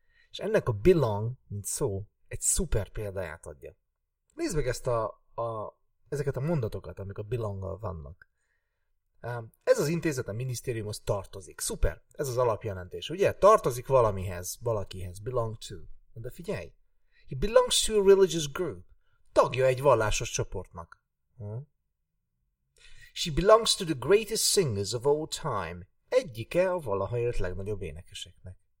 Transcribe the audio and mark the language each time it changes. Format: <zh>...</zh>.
<hu>És ennek a belong, mint szó, egy szuper példáját adja. Nézd meg ezt ezeket a mondatokat, amik a belonggal vannak. Ez az intézet a minisztériumhoz tartozik. Szuper! Ez az alapjelentés, ugye? Tartozik valamihez, valakihez. Belong to. De figyelj!</hu> <en>He belongs to a religious group.</en> <hu>Tagja egy vallásos csoportnak.</hu> <en>She belongs to the greatest singers of all time.</en> <hu>Egyike a valaha élt legnagyobb énekeseknek.</hu>